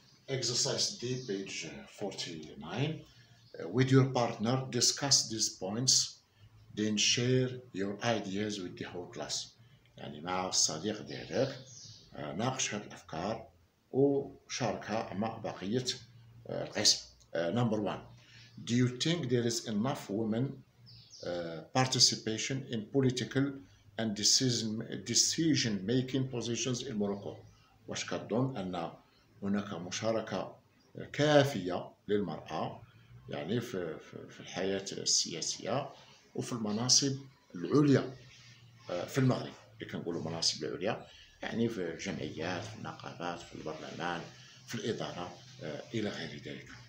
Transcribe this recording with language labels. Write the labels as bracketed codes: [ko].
[en] exercise D page 49 with your partner discuss these points then share your ideas with the whole class [ar] يعني مع الصديق ديالك ناقش هذه الأفكار وشاركها مع بقية القسم. [en] Number one, do you think there is enough women participation in political and decision making positions in Morocco? [ar] واش كتظن أن هناك مشاركة كافية للمرأة يعني في الحياة السياسية وفي المناصب العليا في المغرب اللي كنقولوا مناصب العليا يعني في الجمعيات في النقابات في البرلمان في الإدارة إلى غير ذلك